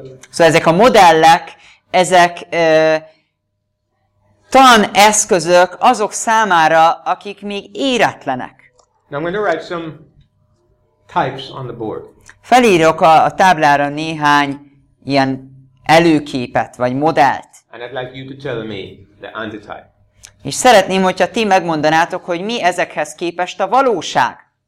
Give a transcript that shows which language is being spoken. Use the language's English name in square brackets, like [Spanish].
[Hungarian] Szóval ezek a modellek, ezek taneszközök azok számára, akik még éretlenek. [English] Now I'm going to write some types on the board. [Hungarian] Felírok a táblára néhány ilyen előképet vagy modellt. [English] And I'd like you to tell me the antitype. [Hungarian] És szeretném, hogyha ti megmondanátok, hogy mi ezekhez képest a valóság.